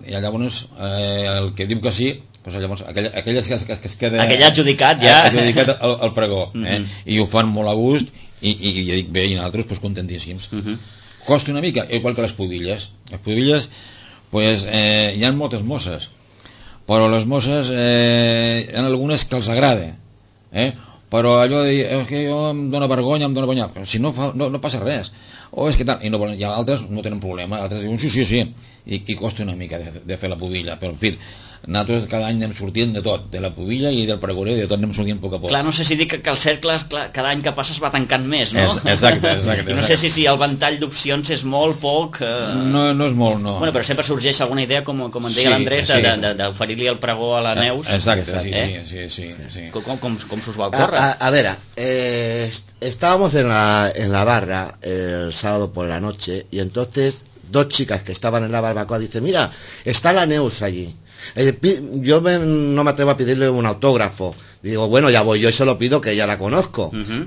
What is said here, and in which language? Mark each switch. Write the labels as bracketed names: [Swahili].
[Catalan] I llavors, el que diu que sí, pues llavors, aquell que es queda... Aquell adjudicat, ja. Adjudicat al pregó. Mm-hmm. I ho fan molt a gust, i dic bé, i nosaltres pues, contentíssims. Uh-huh. Costa una mica, igual que les pudilles. Les pudilles, pues, hi ha moltes mosses, però les mosses hi ha algunes que els agrada, però allò de dir, és que jo em dóna vergonya, em dóna vergonya, si no, no passa res, o és que tal, i no volen, i altres no tenen problema, altres diuen sí, sí, sí, i costa una mica de fer la pudilla, però en fi, nosaltres cada any anem sortint de tot, de la pudilla i del pregoner, de tot anem sortint a poc a poc. Clar, no sé si dic que el cercle clar, cada any que passa es va tancant més, no? Exacte, exacte. I no sé si el ventall d'opcions és molt poc... No és molt, no. Bueno, però sempre sorgeix alguna idea, com en deia sí, l'Andrés, sí. d'oferir-li el pregó a la Neus. Exacte, sí, sí. Com s'us va ocórrer? A veure, [Spanish] estábamos en la barra el sábado por la noche, y entonces dos chicas que estaban en la barbacoa dicen, mira, está la Neus allí. Yo no me atrevo a pedirle un autógrafo. Digo, bueno, ya voy yo y se lo pido, que ya la conozco. Uh-huh.